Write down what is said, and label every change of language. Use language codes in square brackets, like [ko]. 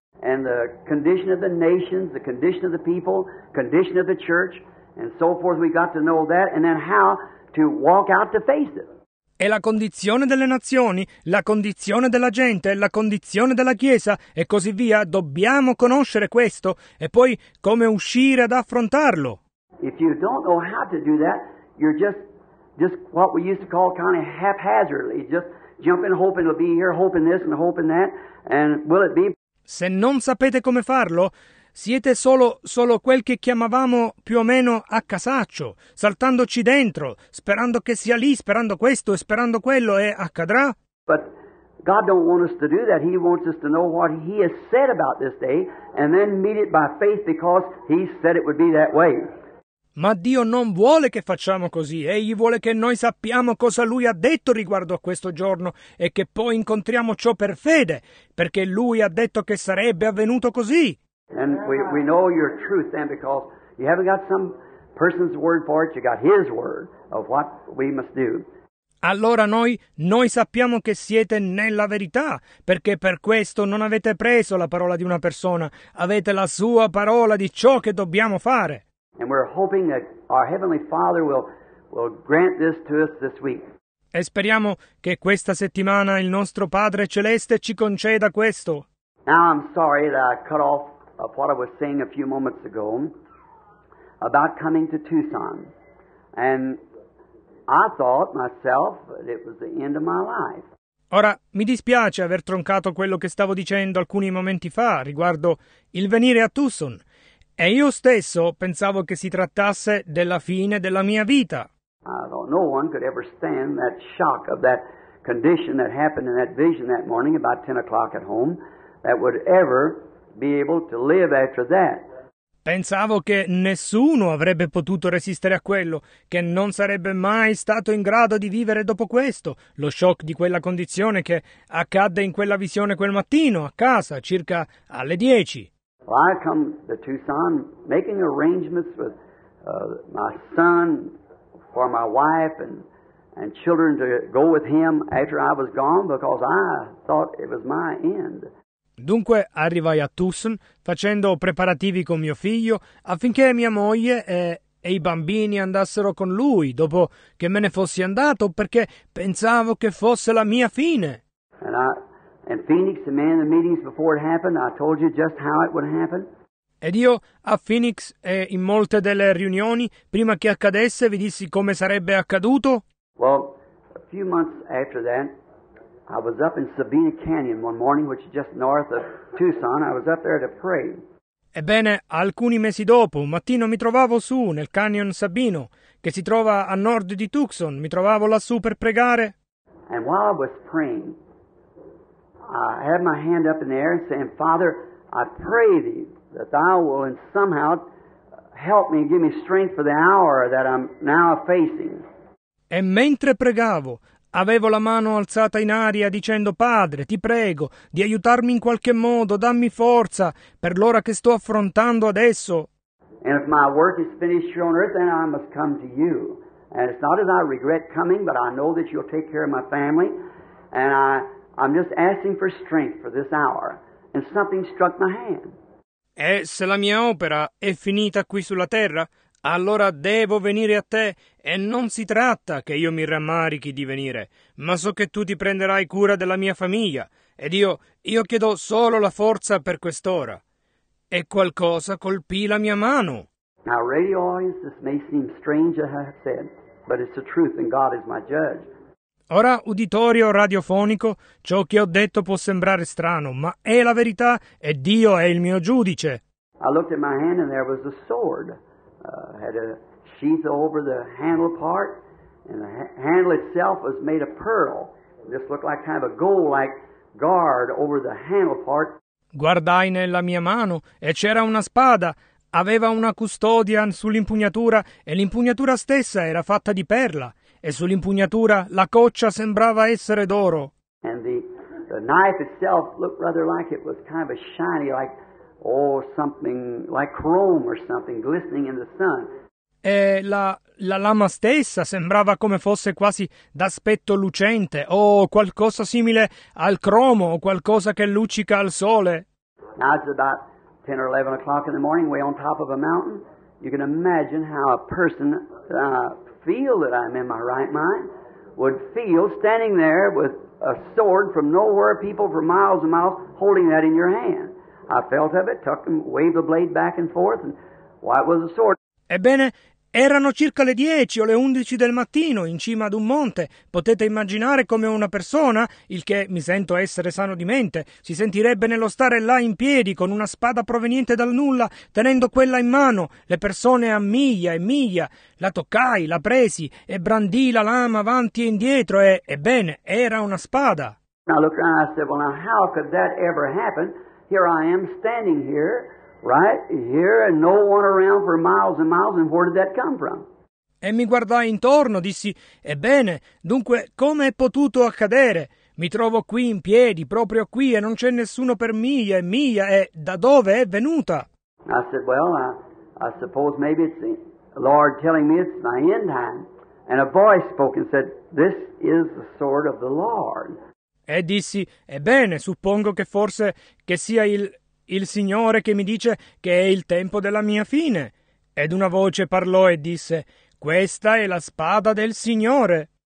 [en] And the condition of the nations, the condition of the people, condition of the church. And so forth, we got to know that, and then how to walk out to face it. [it] E la condizione delle nazioni, la condizione della gente, la condizione della Chiesa, e così via, dobbiamo conoscere questo, e poi come uscire ad affrontarlo. [en] If you don't know how to do that, you're just what we used to call kind of haphazardly, just jumping, hoping it'll be here, hoping this and hoping that, and will it be? [it] Se non sapete come farlo, siete solo quel che chiamavamo più o meno a casaccio, saltandoci dentro, sperando che sia lì, sperando questo e sperando quello, e accadrà. [en] But God don't want us to do that. He wants us to know what he has said about this day and then meet it by faith because he said it would be that way. [it] Ma Dio non vuole che facciamo così. Egli vuole che noi sappiamo cosa Lui ha detto riguardo a questo giorno e che poi incontriamo ciò per fede, perché Lui ha detto che sarebbe avvenuto così. [en] And we know your truth then because you haven't got some person's word for it, you got his word of what we must do. [it] Allora noi sappiamo che siete nella verità, perché per questo non avete preso la parola di una persona, avete la sua parola di ciò che dobbiamo fare. [en] And we're hoping that our Heavenly Father will grant this to us this week. [it] E speriamo che questa settimana il nostro Padre Celeste ci conceda questo. [en] Now I'm sorry that I cut off of what I was saying a few moments ago about coming to Tucson. And I thought myself that it was the end of my life. [it] Ora, mi dispiace aver troncato quello che stavo dicendo alcuni momenti fa riguardo il venire a Tucson. E io stesso pensavo che si trattasse della fine della mia vita. [en] I thought no one could ever stand that shock of that condition that happened in that vision that morning about 10 o'clock at home that would ever be able to live after that. [it] Pensavo che nessuno avrebbe potuto resistere a quello, che non sarebbe mai stato in grado di vivere dopo questo, lo shock di quella condizione che accadde in quella visione quel mattino, a casa, circa alle 10. [en] Well, I come to Tucson making arrangements with my son for my wife and children to go with him after I was gone because I thought it was my end. [it] Dunque arrivai a Tucson facendo preparativi con mio figlio affinché mia moglie e i bambini andassero con lui dopo che me ne fossi andato perché pensavo che fosse la mia fine. [en] And Phoenix, the man in the meetings before it happened, I told you just how it would happen. [it] Ed io a Phoenix e in molte delle riunioni prima che accadesse vi dissi come sarebbe accaduto. [en] Well, a few months after that, I was up in Sabina Canyon one morning, which is just north of Tucson. I was up there to pray. [it] Ebbene, alcuni mesi dopo, un mattino mi trovavo su nel Canyon Sabino, che si trova a nord di Tucson. Mi trovavo lassù per pregare. [en] And while I was praying, I had my hand up in the air saying, Father, I pray thee that thou will in somehow help me and give me strength for the hour that I'm now facing. [it] E mentre pregavo, avevo la mano alzata in aria dicendo, Padre, ti prego di aiutarmi in qualche modo, dammi forza per l'ora che sto affrontando adesso. [en] And if my work is finished here on earth, then I must come to you. And it's not as I regret coming, but I know that you'll take care of my family. And I'm just asking for strength for this hour. And something struck my hand. [it] E se la mia opera è finita qui sulla terra, allora devo venire a te e non si tratta che io mi rammarichi di venire, ma so che tu ti prenderai cura della mia famiglia ed io chiedo solo la forza per quest'ora. E qualcosa colpì la mia mano. [en] Now, radio audience, this may seem strange, I have said, but it's the truth and God is my judge. [it] Ora, uditorio radiofonico, ciò che ho detto può sembrare strano, ma è la verità e Dio è il mio giudice. [en] I looked at my hand and there was a sword. Had a sheath over the handle part, and the handle itself was made of pearl. This looked like kind of a gold-like guard over the handle part. [it] Guardai nella mia mano, e c'era una spada. Aveva una custodian sull'impugnatura, e l'impugnatura stessa era fatta di perla. E sull'impugnatura la coccia sembrava essere d'oro. [en] And the knife itself looked rather like it was kind of a shiny, like, or something like chrome or something glistening in the sun. [it] E la lama stessa sembrava come fosse quasi d'aspetto lucente o qualcosa simile al cromo o qualcosa che luccica al sole. [en] Now it's about 10 or 11 o'clock in the morning, way on top of a mountain. You can imagine how a person feel that I'm in my right mind would feel standing there with a sword from nowhere, people for miles and miles holding that in your hand. I felt of it, tucked and waved the blade back and forth, and why it was a sword. [it] Ebbene, erano circa le 10 o le 11 del mattino, in cima ad un monte. Potete immaginare come una persona, il che mi sento essere sano di mente, si sentirebbe nello stare là in piedi con una spada proveniente dal nulla, tenendo quella in mano, le persone a miglia e miglia. La toccai, la presi, e brandì la lama avanti e indietro, e, ebbene, era una spada. [en] I looked around and I said, well, now how could that ever happen? Here I am standing here, right here, and no one around for miles and miles, and where did that come from? [it] E mi guardai intorno, dissi, ebbene, dunque, come è potuto accadere? Mi trovo qui in piedi, proprio qui, e non c'è nessuno per miglia e miglia, e da dove è venuta? [en] I said, well, I suppose maybe it's the Lord telling me it's my end time. And a voice spoke and said, this is the sword of the Lord. [it] E dissi, ebbene, suppongo che forse che sia il Signore che mi dice che è il tempo della mia fine. Ed una voce parlò e disse, questa è la spada del Signore.